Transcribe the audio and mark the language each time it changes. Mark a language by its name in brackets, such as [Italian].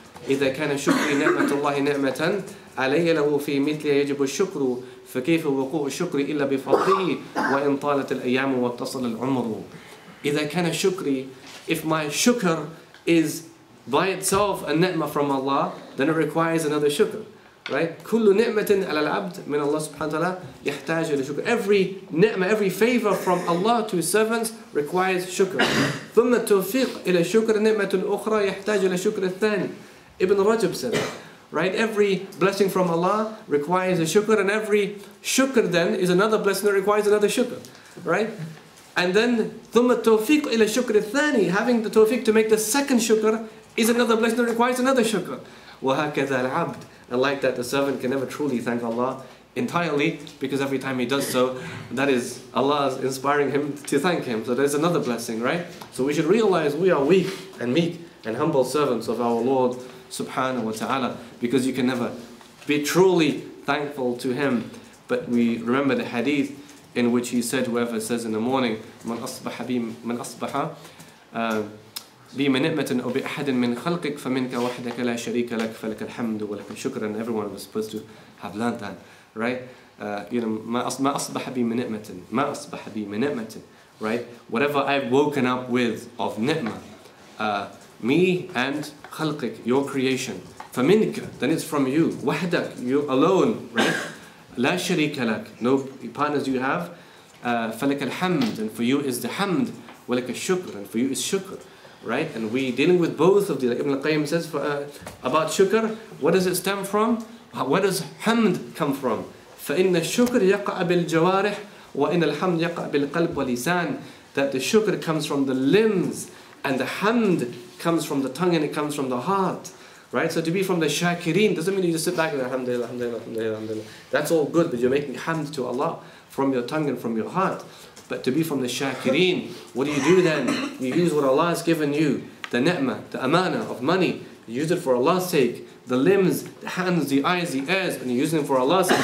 [Arabic] إِذَا كَانَ شُكْرِي نِعْمَةُ اللَّهِ نِعْمَةً عَلَيَّ لَهُ فِي مِثْلِهَا يَجِبُ الشُّكْرُ فَكَيْفَ وَقُوعُ الشُّكْرِ إِلَّا بِفَضْلِهِ وَإِنْ طَالَتِ الْأَيَّامُ وَاتَّصَلَ الْعُمُرُ. إِذَا كَانَ شُكْرِي, [English] if my shukr is by itself a ni'mah from Allah, then it requires another shukr, right? [Arabic] كل نعمة على العبد من الله سبحانه وتعالى يحتاج إلى شكر. [English] Every نعمة, every favor from Allah to His servants requires شكر. [Arabic] ثم التوفيق إلى شكر نعمة أخرى يحتاج إلى شكر الثاني. [English] Ibn Rajab said that. Right, every blessing from Allah requires a shukr, and every shukr then is another blessing that requires another shukr. Right, and then [Arabic] thumma tawfiq ila shukr thani, [English] having the tawfiq to make the second shukr is another blessing that requires another shukr. [Arabic] Wahakadha al-abd, [English] and like that, the servant can never truly thank Allah entirely, because every time he does so, that is Allah inspiring him to thank Him. So there's another blessing, right? So we should realize we are weak and meek and humble servants of our Lord Subhanahu wa ta'ala, because you can never be truly thankful to Him. But we remember the hadith in which He said, whoever says in the morning, [Arabic] من أصبح بي من أصبح بي منعمة أو بأحد من خلقك فمنك وحدك لا شريك لك فلك الحمد ولك الشكر. [English] And everyone was supposed to have learned that, right? [Arabic] ما أصبح بي منعمة, ما أصبح بي منعمة, right? [English] Whatever I've woken up with of ni'mah, me and خلقك, your creation. فمنك, then it's from you. وحدك, you alone, right? [Arabic] لا شريك لك, [English] no partners you have. [Arabic] فلك الحمد, [English] and for you is the حمد. [Arabic] ولك الشكر, [English] and for you is شكر, right? And we dealing with both of these. Like Ibn Qayyim says for, about شكر, what does it stem from? Where does حمد come from? [Arabic] فإن الشكر يقع بالجوارح وإن الحمد يقع بالقلب واللسان. [English] That the شكر comes from the limbs, and the حمد comes from the tongue and it comes from the heart, right? So to be from the shakirin doesn't mean you just sit back and alhamdulillah, alhamdulillah, alhamdulillah, alhamdulillah. That's all good, but you're making hamd to Allah from your tongue and from your heart. But to be from the shakirin, what do? Then you use what Allah has given you, the ni'mah, the amana of money, you use it for Allah's sake, the limbs, the hands, the eyes, the ears, and you're using it for Allah's sake.